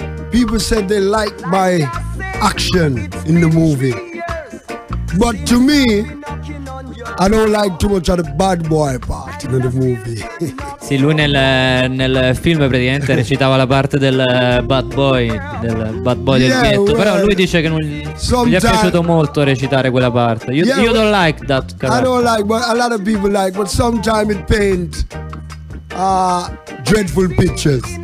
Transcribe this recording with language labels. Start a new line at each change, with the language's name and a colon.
English: People said they liked my action in the movie. But to me, I don't like too much of the bad boy part in the movie.
Italian: Sì, lui nel film praticamente recitava la parte del bad boy del ghetto. Però lui dice che non gli è piaciuto molto recitare quella parte.
English: You don't like that character. I don't like, but a lot of people like, but sometimes it paints dreadful pictures.